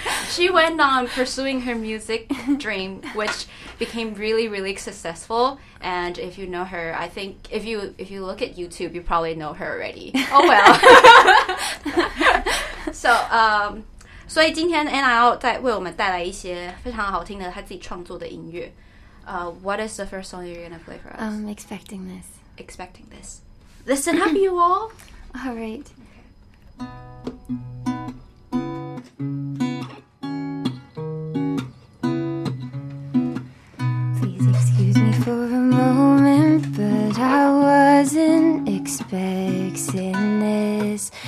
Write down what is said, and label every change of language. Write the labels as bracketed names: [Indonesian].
[English] She went on pursuing her music dream, which became really, really successful. And if you know her, I think if you look at YouTube, you probably know her already. Oh, well. [Chinese] So, 所以今天 NIL 在为我们带来一些非常好听的她自己创作的音乐。 [English] What is the first song you're going to play for us? I'm expecting this. Expecting this. Listen up, you all. All right. Please excuse me for a moment, but I wasn't expecting this.